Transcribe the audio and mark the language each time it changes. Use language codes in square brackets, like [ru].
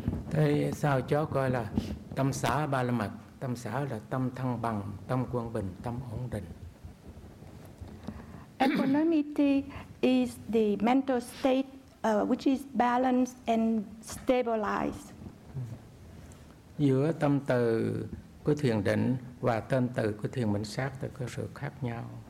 [vi] Thế sao chó coi là tâm xả ba la mật? Tâm xả là tâm thăng bằng, tâm quân bình, tâm ổn định. [en] Equanimity is the mental state which is balanced and stabilized. [vi] Giữa tâm từ của thiền định và tâm từ của thiền minh sát thì có sự khác nhau.